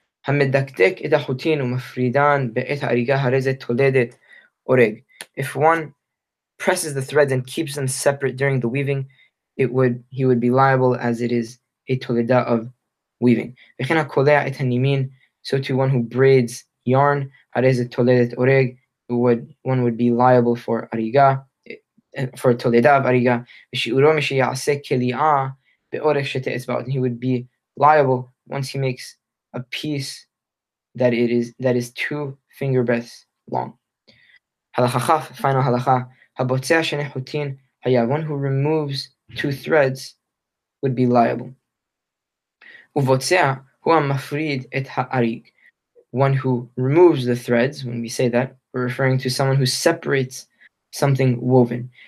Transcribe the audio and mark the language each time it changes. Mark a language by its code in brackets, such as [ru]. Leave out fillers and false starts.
[he] המדקדק את החוטין ומפרידן בעת האריגה, הרי זה תולדת אורג. [en] If one presses the threads and keeps them separate during the weaving, he would be liable, as it is a toledah of weaving. [he] וכן הקולע את הנימין, [en] so to one who braids yarn, [he] הרי זה תולדת אורג, [en] one would be liable for אריגה, for toledah of אריגה. [he] ושיעורו מי שיעשה כליעה באורג שתי אצבעות, [en] he would be liable once he makes a piece that is two finger breadths long. Halacha, final halacha, [he] habotzeh shenechutin hayav, [en] one who removes two threads would be liable. [he] Uvotzeh hu amafrid et ha'arig, [en] one who removes the threads, when we say that, we're referring to someone who separates something woven.